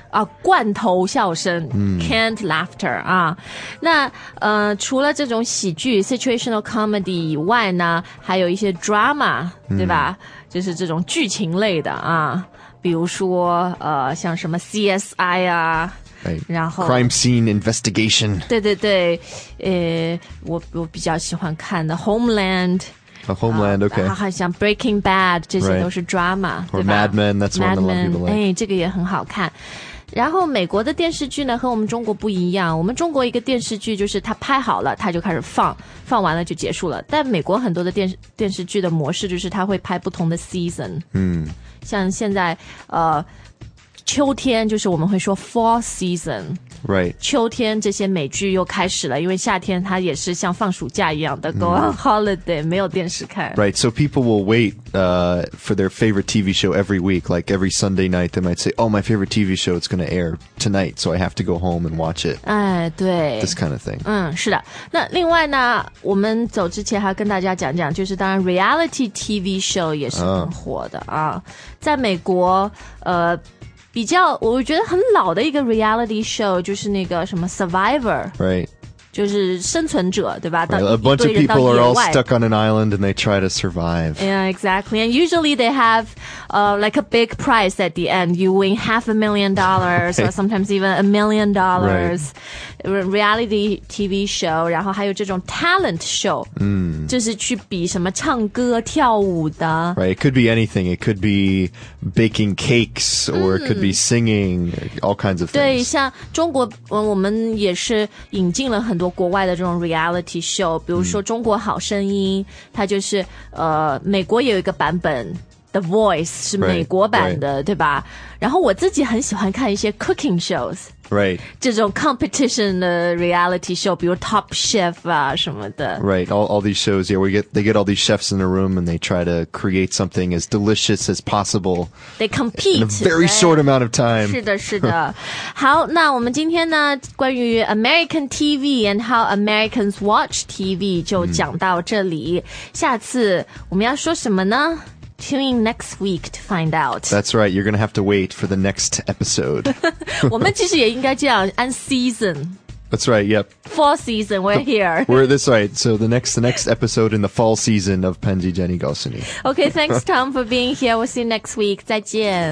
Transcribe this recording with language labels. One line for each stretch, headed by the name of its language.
Chinese: 啊，罐头笑声、canned laughter 啊。那除了这种喜剧 situational comedy 以外呢，还有一些 drama，对吧？就是这种剧情类的啊，比如说像什么 CSI 啊。
English: Right.
Chinese: 然后
English: crime scene investigation.
Chinese: 对对对，我比较喜欢看的 Homeland。
English: Homeland, okay.
Chinese: 然后像 Breaking Bad, 这些都是 drama,、
English: right.
Chinese: 对吧
English: Or Mad Men, that's one that a lot of people like.
Chinese: 哎，这个也很好看。然后美国的电视剧呢，和我们中国不一样。我们中国一个电视剧就是它拍好了，它就开始放，放完了就结束了。但美国很多的电视剧的模式就是它会拍不同的 season。像现在秋天就是我们会说 fall season。
English: Right.
Chinese: 秋天这些美剧又开始了，因为夏天它也是像放暑假一样的
English: go on holiday,
Chinese: 没有电视看。
English: Right, so people will wait for their favorite TV show every week, like every Sunday night, they might say, oh, my favorite TV show is going to air tonight, so I have to go home and watch it.
Chinese: 哎，对。
English: This kind of thing.
Chinese: 是的。那另外呢，我们走之前还要跟大家讲讲，就是当然 reality TV show 也是很火的啊。在美国比较我觉得很老的一个 reality show 就是那个什么 Survivor
English: Right
Chinese: 就是生存者对吧
English: right, A bunch of people are all stuck on an island and they try to survive. Yeah, exactly. And usually they have、like a big prize at the end. You win $500,000 or sometimes even $1,000,000、 right.
Chinese: Reality TV show, 然后还有这种 talent show、 mm. 就是去比什么唱歌跳舞的
English: Right, it could be anything. It could be baking cakes or、mm. it could be singing, all kinds of things.
Chinese: 对像中国、我们也是引进了很多国外的这种 reality show 比如说中国好声音、嗯、它就是、美国也有一个版本 The Voice 是美国版的
English: right,
Chinese: 对吧然后我自己很喜欢看一些 cooking shows、
English: right.
Chinese: 这种 competition 的 reality show 比如 Top Chef 啊什么的
English: Right, all these shows yeah, they get all these chefs in a room and they try to create something as delicious as possible They compete In a very short amount of time
Chinese: 是的是的好那我们今天呢关于
English: American TV and how Americans watch TV
Chinese: 就讲到这里、嗯、下次我们要说什么呢
English: Tune in next week to find out. That's right. You're going to have to wait for the next episode.
Chinese: 我们其实也应该这样 and season.
English: That's right. Yep. Fall season. We're here. We're this right. So the next episode in the fall season of Penzi Jenny Gosuni. Okay. Thanks, Tom, for being here. We'll see you next week.
Chinese: 再见。